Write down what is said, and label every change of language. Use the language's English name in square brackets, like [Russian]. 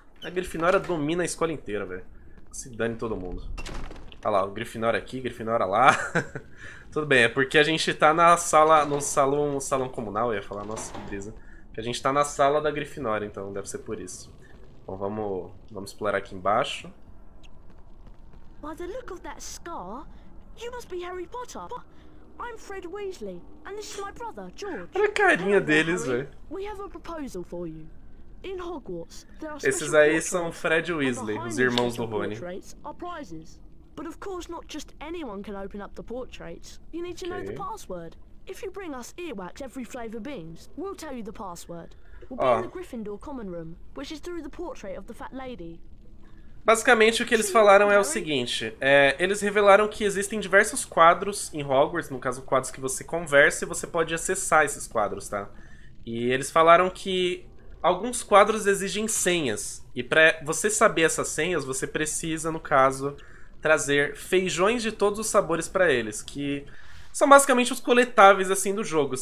[Portuguese] A Grifinória domina a escola inteira, velho. Se dane todo mundo. Olha lá, o Grifinória aqui, Grifinória lá. Tudo bem, é porque a gente tá na sala, no salão comunal, eu ia falar, nossa, que brisa. Porque a gente tá na sala da Grifinória, então deve ser por isso. Bom, vamos explorar aqui embaixo. [English] By the look of that scar, you must be Harry Potter. I'm Fred Weasley, and this is my brother, George. [Portuguese] Olha a carinha deles, velho. [English] We have a proposal for you. In Hogwarts, there are [Portuguese] esses aí são Fred Weasley, os irmãos do Rony. [English] But of course, not just anyone can open up the portraits. You need to know the password. If you bring us earwax every flavor beans, we'll tell you the password. We'll be in the Gryffindor common room, which is through the portrait of the fat lady. [Portuguese] Basicamente, o que eles falaram é o seguinte, eles revelaram que existem diversos quadros em Hogwarts, no caso, quadros que você conversa e você pode acessar esses quadros, tá? E eles falaram que alguns quadros exigem senhas, e pra você saber essas senhas, você precisa, no caso, trazer feijões de todos os sabores pra eles, que são basicamente os coletáveis, assim, do jogo.